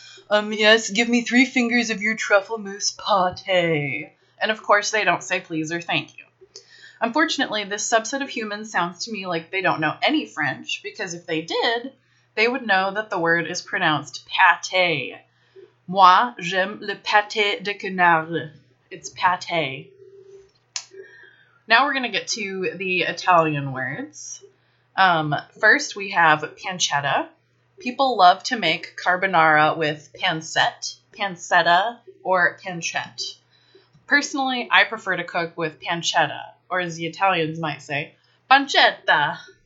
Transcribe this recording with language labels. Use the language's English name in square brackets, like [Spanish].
[English] Yes, give me 3 fingers of your truffle mousse pâté. And of course they don't say please or thank you. Unfortunately, this subset of humans sounds to me like they don't know any French, because if they did, they would know that the word is pronounced pâté. [French] Moi, j'aime le pâté de canard. [English] It's pâté. Now we're going to get to the Italian words. First, we have pancetta. People love to make carbonara with pancetta, or pancetta. Personally, I prefer to cook with pancetta. Or as the Italians might say, pancetta.